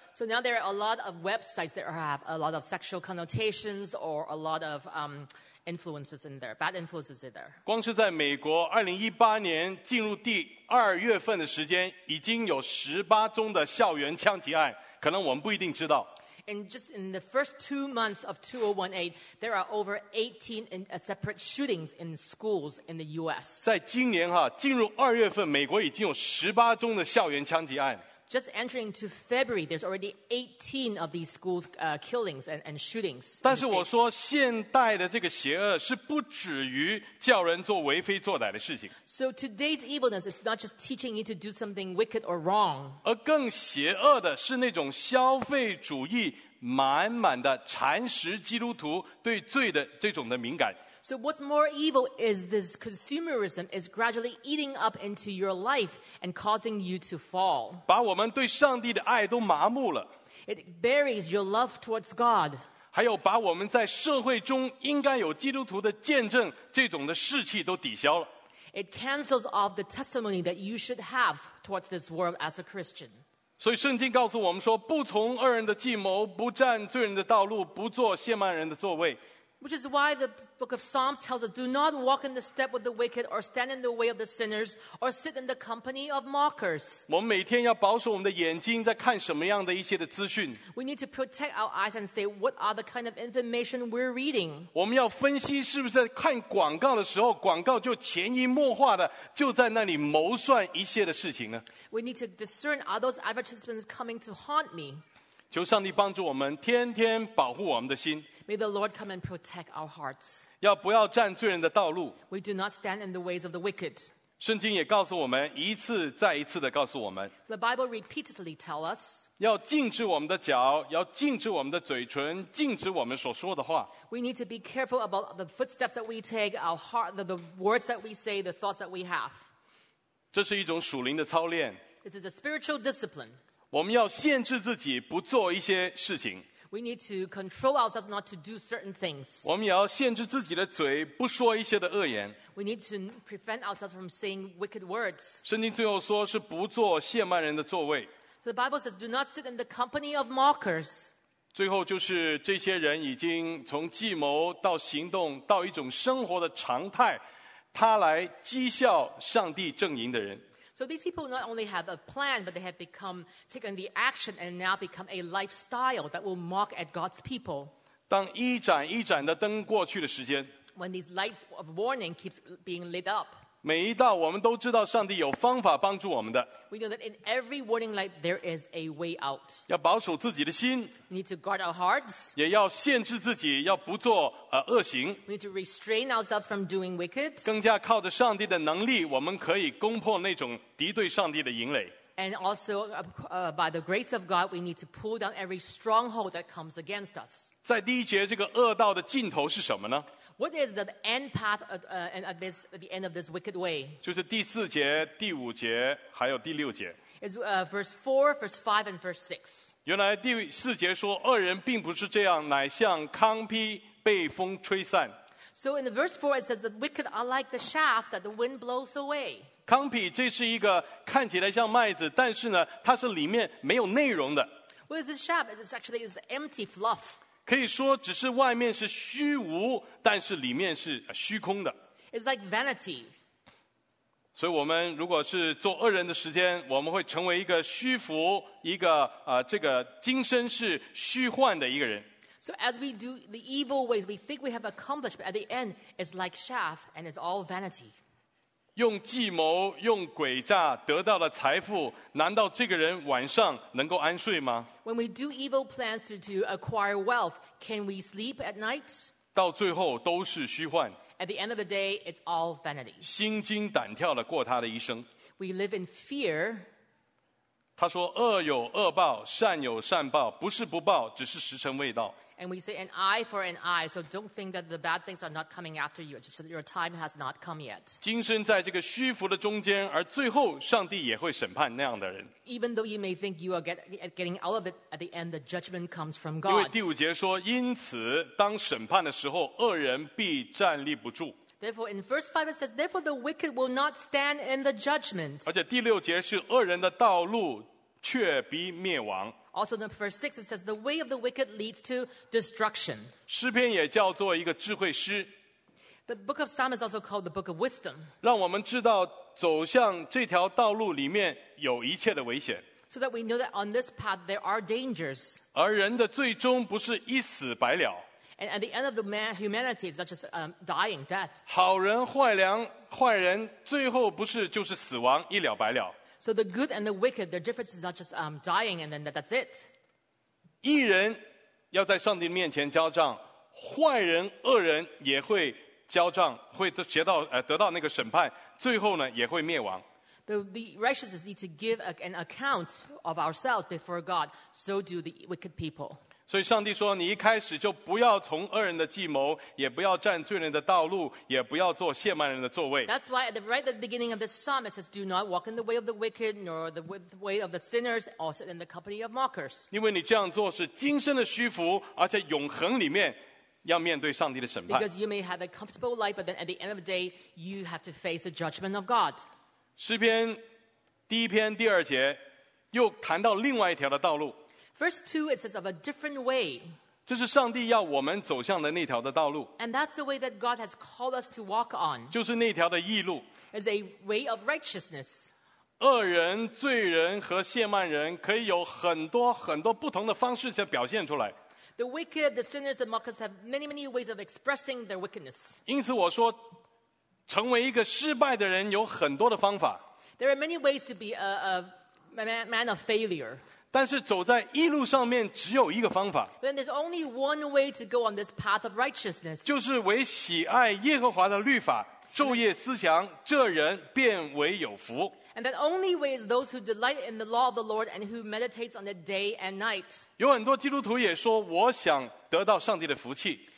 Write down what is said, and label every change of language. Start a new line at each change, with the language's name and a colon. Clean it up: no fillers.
English: So now there are a lot of websites that have a lot of sexual connotations or a lot of influences in there, bad influences in there.
Chinese: 光是在美国2018年进入第二月份的时间，已经有18宗的校园枪击案，可能我们不一定知道。
English: And just in the first 2 months of 2018, there are over 18 separate shootings in schools in the U.S.
Chinese: 在今年哈，进入二月份，美国已经有18宗的校园枪击案。
English: Just entering into February, there's already 18 of these school killings and shootings.
Chinese: 但是我说，现代的这个邪恶是不止于叫人做为非作歹的事情。
English: So today's evilness is not just teaching you to do something wicked or wrong.
Chinese: 而更邪恶的是那种消费主义满满的蚕食基督徒对罪的这种的敏感。
English: So what's more evil is this consumerism is gradually eating up into your life and causing you to fall.
Chinese: 把我们对上帝的爱都麻木了。
English: It buries your love towards God.
Chinese: 还有把我们在社会中应该有基督徒的见证这种的士气都抵消了。
English: It cancels off the testimony that you should have towards this world as a Christian.
Chinese: 所以圣经告诉我们说，不从恶人的计谋，不占罪人的道路，不坐亵慢人的座位。
English: Which is why the book of Psalms tells us, do not walk in the step of the wicked, or stand in the way of the sinners, or sit in the company of mockers.
Chinese: 我们每天要保守我们的眼睛，在看什么样的一些的资讯。
English: We need to protect our eyes and say, what are the kind of information we're reading?
Chinese: 我们要分析是不是在看广告的时候，广告就潜移默化的就在那里谋算一些的事情呢？
English: We need to discern, are those advertisements coming to haunt me?
Chinese: 求上帝帮助我们，天天保护我们的心。
English: May the Lord come and protect our hearts.
Chinese: 要不要占罪人的道路
English: ？We do not stand in the ways of the wicked.
Chinese: 圣经也告诉我们，一次再一次的告诉我们。
English: The Bible repeatedly tells us.
Chinese: 要禁止我们的脚，要禁止我们的嘴唇，禁止我们所说的话。
English: We need to be careful about the footsteps that we take, our heart, the words that we say, the thoughts that we have.
Chinese: 这是一种属灵的操练。
English: This is a spiritual discipline.
Chinese: 我们要限制自己不做一些事情。
English: We need to control ourselves not to do certain things.
Chinese: 我们也要限制自己的嘴不说一些的恶言。
English: We need to prevent ourselves from saying wicked words.
Chinese: 圣经最后说是不坐亵慢人的座位。
English: So the Bible says, do not sit in the company of mockers.
Chinese: 最后就是这些人已经从计谋到行动到一种生活的常态，他来讥笑上帝正营的人。
English: So these people not only have a plan, but they have become, taken the action and now become a lifestyle that will mock at God's people.
Chinese: 当一盏一盏的灯过去的时间
English: ，When these lights of warning keeps being lit up，
Chinese: 每一道我们都知道上帝有方法帮助我们的。
English: We know that in every warning light there is a way out。
Chinese: 要保守自己的心
English: ，We need to guard our hearts。
Chinese: 也要限制自己，要不做恶行
English: ，We need to restrain ourselves from doing wicked。
Chinese: 更加靠着上帝的能力，我们可以攻破那种敌对上帝的营垒。
English: And also, by the grace of God, we need to pull down every stronghold that comes against us.
Chinese: 在第一节这个恶道的尽头是什么呢
English: ？What is the end path at this at the end of this wicked way?
Chinese: 就是第四节、第五节还有第六节。
English: It's verse 4, verse 5, and verse 6.
Chinese: 原来第四节说恶人并不是这样，乃像糠秕被风吹散。
English: So in the verse 4 it says that wicked are like the chaff that the wind blows away.
Chinese: 糠秕这是一个看起来像麦子，但是呢，它是里面没有内容的。
English: What is the chaff? It's actually is empty fluff.
Chinese: 可以说只是外面是虚无，但是里面是虚空的。
English: It's like vanity.
Chinese: 所以我们如果是做恶人的时间，我们会成为一个虚浮，一个这个今生是虚幻的一个人。
English: So as we do the evil ways, we think we have accomplished, but at the end, it's like chaff, and it's all vanity.
Chinese: 用计谋、用诡诈得到了财富，难道这个人晚上能够安睡吗
English: ？When we do evil plans to acquire wealth, can we sleep at night?
Chinese: 到最后都是虚幻。
English: At the end of the day, it's all vanity.
Chinese: 心惊胆跳的过他的一生。
English: We live in fear.
Chinese: 他说：“恶有恶报，善有善报，不是不报，只是时辰未到。”
English: And we say an eye for an eye, so don't think that the bad things are not coming after you. Just your time has not come yet.
Chinese: 今生在这个虚浮的中间，而最后上帝也会审判那样的人。
English: Even though you may think you are getting out of it, at the end the judgment comes from God.
Chinese: 因为第五节说，因此当审判的时候，恶人必站立不住。
English: Therefore, in verse 5 it says, therefore the wicked will not stand in the judgment.
Chinese: 而且第六节是恶人的道路却必灭亡。
English: Also in verse 6 it says the way of the wicked leads to destruction.
Chinese: 诗篇也叫做一个智慧诗。
English: The book of Psalms is also called the book of wisdom.
Chinese: 让我们知道走向这条道路里面有一切的危险。
English: So that we know that on this path there are dangers.
Chinese: 而人的最终不是一死百了。
English: And at the end of the man, humanity is not just dying, death.
Chinese: 好人坏良坏人最后不是就是死亡一了百了。
English: So the good and the wicked, their difference is not just dying and then that's it.
Chinese: 义人要在上帝面前交账，坏人、恶人也会交账，会得到那个审判，最后呢也会灭亡。
English: The righteous need to give an account of ourselves before God, so do the wicked people.
Chinese: 所以上帝说，你一开始就不要从恶人的计谋，也不要占罪人的道路，也不要坐亵慢人的座位。
English: That's why right at the beginning of this psalm it says, "Do not walk in the way of the wicked, nor the way of the sinners, also in the company of mockers."
Chinese: 因为你这样做是今生的虚浮，而且永恒里面要面对上帝的审判。
English: Because you may have a comfortable life, but then at the end of the day, you have to face the judgment of God.
Chinese: 诗篇第一篇第二节又谈到另外一条的道路。
English: Verse 2, it says of a different way.
Chinese: 这是上帝要我们走向的那条的道路。
English: And that's the way that God has called us to walk on.
Chinese: 就是那条的义路。
English: It's a way of righteousness.
Chinese: 恶人、罪人和亵慢人可以有很多很多不同的方式才表现出来。
English: The wicked, the sinners, the mockers have many, many ways of expressing their wickedness.
Chinese: 因此我说，成为一个失败的人有很多的方法。
English: There are many ways to be a man of failure.
Chinese: 但是走在义路上面只有一个方法。
English: Then there's only one way to go on this path of righteousness.
Chinese: 就是为喜爱耶和华的律法，昼夜思想，这人变为有福。
English: And that only way is those who delight in the law of the Lord and who meditates on it day and night.
Chinese: 有很多基督徒也说，我想得到上帝的福气。